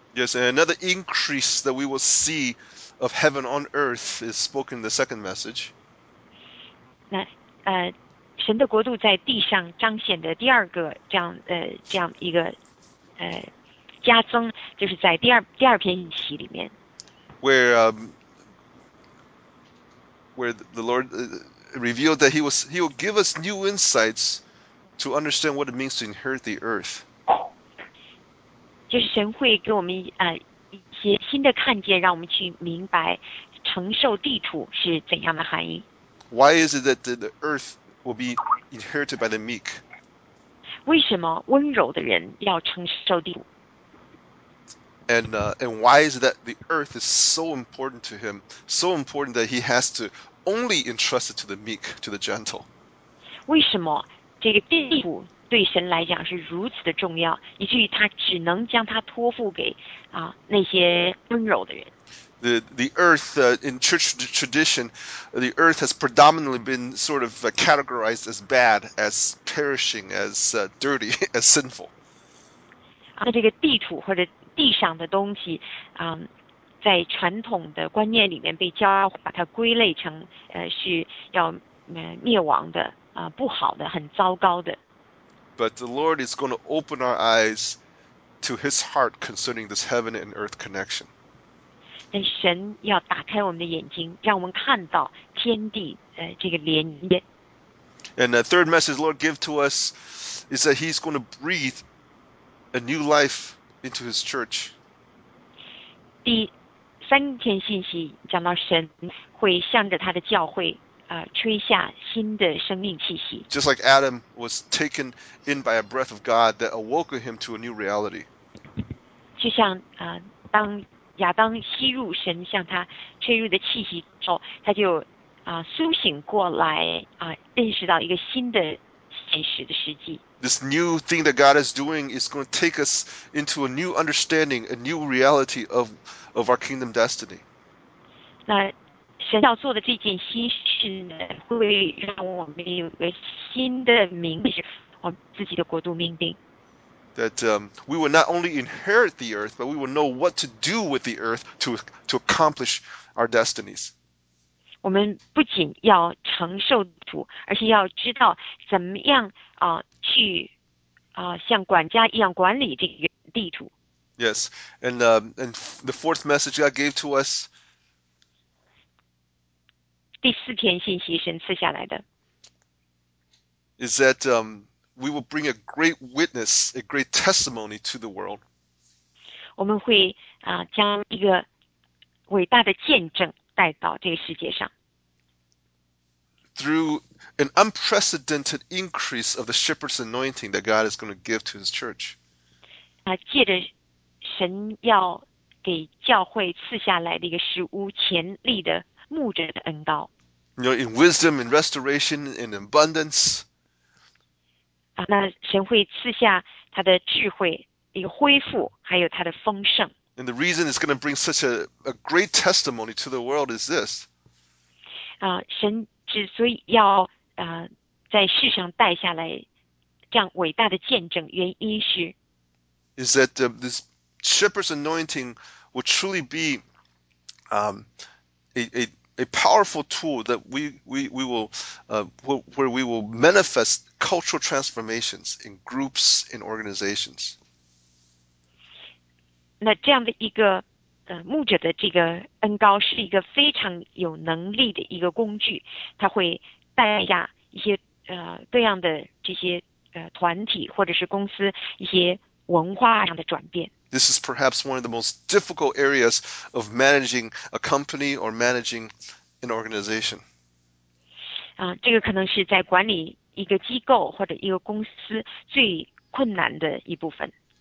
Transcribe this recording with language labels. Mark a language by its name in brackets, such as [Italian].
[English] Yes, and another increase that we will see of heaven on earth is spoken in the second message. [Chinese] 那神的国度在地上彰显的第二个这样一个加增，就是在第二篇信息里面 [English] where the Lord revealed that he will give us new insights to understand what it means to inherit the earth. [Chinese] 就是神会给我们一些新的看见，让我们去明白承受地土是怎样的含义。 [English] Why is it that the earth will be inherited by the meek? [Chinese] 为什么温柔的人要承受地土？ [English] And why is that the earth is so important to him, so important that he has to only entrust it to the meek, to the gentle? [Chinese] 为什么这个地土对神来讲是如此的重要，以至于他只能将它托付给那些温柔的人？ [English] The earth, in church tradition, the earth has predominantly been sort of categorized as bad, as perishing, as dirty, as sinful. [Chinese] 那这个地土或者地上的东西，在传统的观念里面被教化，把它归类成是要灭亡的，不好的，很糟糕的。 [English] But the Lord is going to open our eyes to His heart concerning this heaven and earth connection. [Chinese] 但神要打开我们的眼睛，让我们看到天地这个连接。 [English] And the third message the Lord give to us is that He's going to breathe a new life into His church. [Chinese] 第三篇信息讲到神会向着他的教会吹下新的生命气息。 [English] Just like Adam was taken in by a breath of God that awoke him to a new reality. [Chinese] 就像当亚当吸入神向他吹入的气息之后，他就苏醒过来认识到一个新的现实的实际。 [English] This new thing that God is doing is going to take us into a new understanding, a new reality of our kingdom destiny. [Chinese] 那神要做的这件新事呢，会让我们有个新的明白，我们自己的国度命定。 [English] That we will not only inherit the earth, but we will know what to do with the earth to accomplish our destinies. [Chinese] 我们不仅要承受土，而且要知道怎么样去像管家一样管理这个地土。 [English] Yes, and the fourth message God gave to us. [Chinese] 第四篇信息神赐下来的。 [English] Is that we will bring a great witness, a great testimony to the world. [Chinese] 我们会将一个伟大的见证带到这个世界上。 [English] Through an unprecedented increase of the shepherd's anointing that God is going to give to his church. [Chinese] 借着神要给教会赐下来的一个史无前例的牧者的恩膏。 [English] You know, in wisdom, in restoration, in abundance, [Chinese] 那神会赐下他的智慧，一个恢复，还有他的丰盛。 [English] And the reason it's going to bring such a great testimony to the world is this. [Chinese] 神之所以要在世上带下来这样伟大的见证，原因是 [English] is that this shepherd's anointing will truly be a powerful tool that we will manifest cultural transformations in groups and organizations. [Chinese] 那这样的一个牧者的这个恩膏是一个非常有能力的一个工具，它会带下一些各样的这些团体或者是公司一些文化上的转变。 [English] This is perhaps one of the most difficult areas of managing a company or managing an organization. [Chinese] 这个可能是在管理一个机构或者一个公司最困难的一部分。